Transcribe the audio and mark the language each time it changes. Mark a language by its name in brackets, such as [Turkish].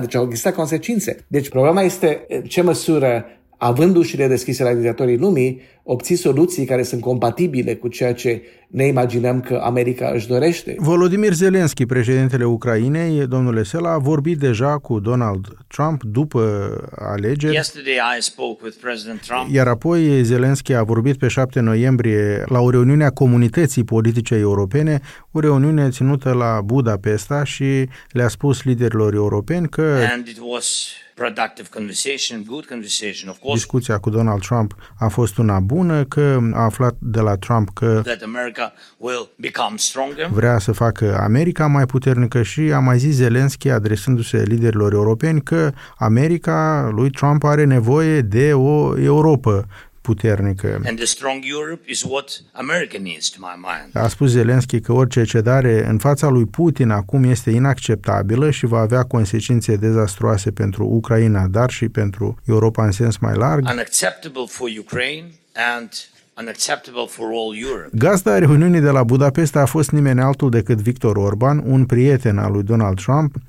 [Romanian] Deci au existat consecințe. Deci problema este ce măsură, având ușile deschise la dictatorii lumii, obții soluții care sunt compatibile cu ceea ce ne imaginăm că America își dorește. Volodymyr Zelensky, președintele Ucrainei, domnule Sela, a vorbit deja cu Donald Trump după alegeri. [English] Yesterday I spoke with President Trump. [Romanian] Iar apoi Zelensky a vorbit pe 7 noiembrie la o reuniune a Comunității Politice Europene, o reuniune ținută la Budapesta și le-a spus liderilor europeni că... [English] And it was... productive conversation, good conversation, of course. [Romanian] Discuția cu Donald Trump a fost una bună, că a aflat de la Trump că [English] that America will become stronger. [Romanian] Vrea să facă America mai puternică și a mai zis Zelensky, adresându-se liderilor europeni, că America lui Trump are nevoie de o Europa puternică. [English] And a strong Europe is what America needs, to my mind. [Romanian] A spus Zelensky că orice cedare în fața lui Putin acum este inacceptabilă și va avea consecințe dezastruoase pentru Ucraina, dar și pentru Europa în sens mai larg. [English] Unacceptable for Ukraine and unacceptable for all Europe. [Romanian] Gazda reuniunii de la Budapesta a fost nimeni altul decât Viktor Orban, un prieten al lui Donald Trump.